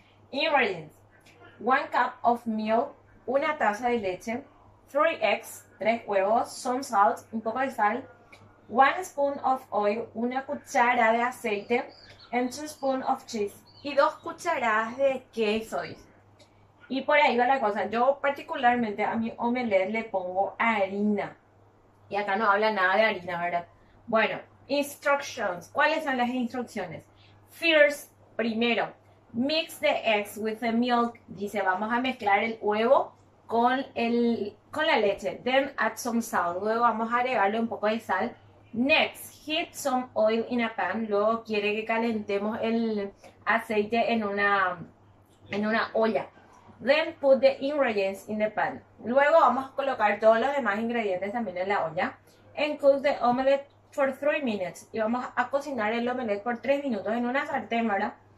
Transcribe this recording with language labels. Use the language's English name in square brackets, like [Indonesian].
[English] Ingredients: 1 cup of milk, [Spanish] una taza de leche, [English] 3 eggs, [Spanish] 3 huevos, [English] some salt, [Spanish] un poco de sal, [English] 1 spoon of oil, [Spanish] una cuchara de aceite, [English] and 2 spoon of cheese, [Spanish] y 2 cucharadas de queso. Y por ahí va la cosa. Yo particularmente a mi omelette le pongo harina. Y acá no habla nada de harina, ¿verdad? Bueno, instructions. ¿Cuáles son las instrucciones? [English] First, primero, mix the eggs with the milk. [Spanish] Dice, vamos a mezclar el huevo con la leche. [English] Then add some salt. [Spanish] Luego vamos a agregarle un poco de sal. [English] Next, heat some oil in a pan. [Spanish] Luego quiere que calentemos el aceite en una olla. [English] Then put the ingredients in the pan. [Spanish] Luego vamos a colocar todos los demás ingredientes también en la olla. [English] And cook the omelette for 3 minutes. [Spanish] Y vamos a cocinar el omelette por 3 minutos en una sartén, ¿verdad?